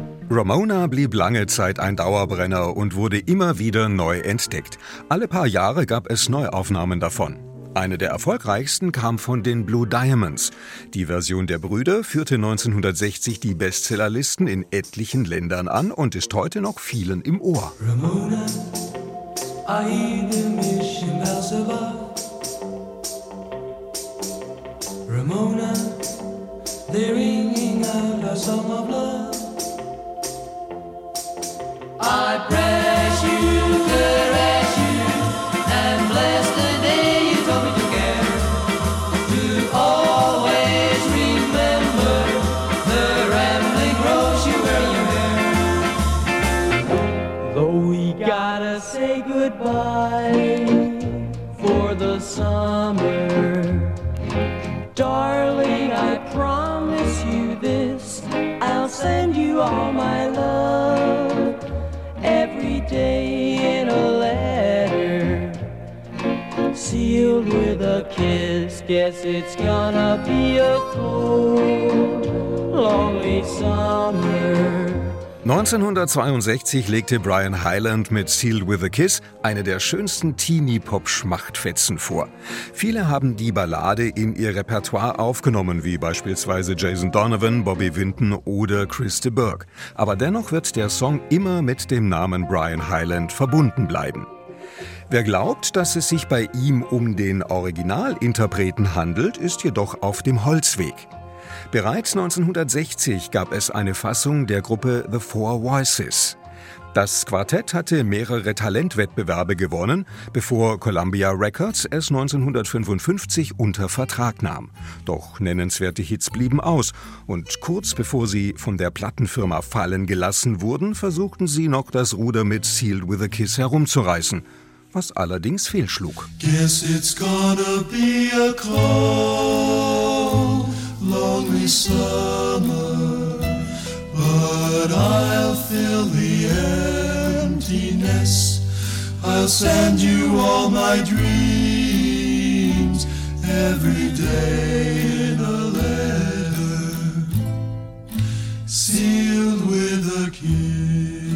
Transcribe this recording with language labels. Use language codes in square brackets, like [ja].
[de] Ramona blieb lange Zeit ein Dauerbrenner und wurde immer wieder neu entdeckt. Alle paar Jahre gab es Neuaufnahmen davon. Eine der erfolgreichsten kam von den Blue Diamonds. Die Version der Brüder führte 1960 die Bestsellerlisten in etlichen Ländern an und ist heute noch vielen im Ohr. [en] Ramona, I Ramona, they're ringing out a song of love. I bless you, caress you, and bless the day you taught me to care. To always remember the rambling rose you wear in your hair. Though we gotta say goodbye for the summer. Darling, I promise you this, I'll send you all my love every day in a letter sealed with a kiss. Guess it's gonna be a cold, lonely summer. [de] 1962 legte Brian Hyland mit Sealed with a Kiss eine der schönsten Teenie-Pop-Schmachtfetzen vor. Viele haben die Ballade in ihr Repertoire aufgenommen, wie beispielsweise Jason Donovan, Bobby Vinton oder Chris de Burgh. Aber dennoch wird der Song immer mit dem Namen Brian Hyland verbunden bleiben. Wer glaubt, dass es sich bei ihm um den Originalinterpreten handelt, ist jedoch auf dem Holzweg. Bereits 1960 gab es eine Fassung der Gruppe The Four Voices. Das Quartett hatte mehrere Talentwettbewerbe gewonnen, bevor Columbia Records es 1955 unter Vertrag nahm. Doch nennenswerte Hits blieben aus. Und kurz bevor sie von der Plattenfirma fallen gelassen wurden, versuchten sie noch das Ruder mit Sealed with a Kiss herumzureißen, was allerdings fehlschlug. [en] Guess it's gonna be a cold, lonely summer, but I'll fill the emptiness. I'll send you all my dreams every day in a letter sealed with a kiss.